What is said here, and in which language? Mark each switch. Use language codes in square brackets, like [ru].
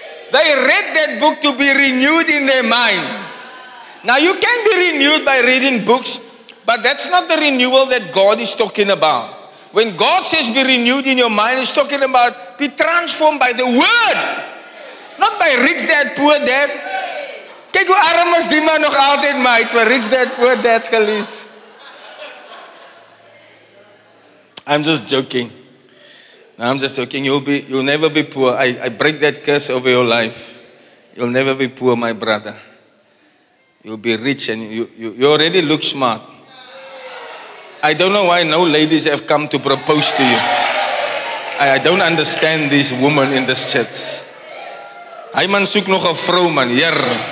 [en] They read that book to be renewed in their mind. Now, you can be renewed by reading books, but that's not the renewal that God is talking about. When God says be renewed in your mind, he's talking about be transformed by the word. Not by Rich Dad, Poor Dad. [af] Kijk hoe arm is die man nog altijd, mate. Maar Rich Dad, Poor Dad gelees. [en] I'm just joking. No, I'm just joking. You'll never be poor. I break that curse over your life. You'll never be poor, my brother. You'll be rich and you already look smart. I don't know why no ladies have come to propose to you. I don't understand these women in this church. [af] Hy man soek nog 'n vrou man, heer.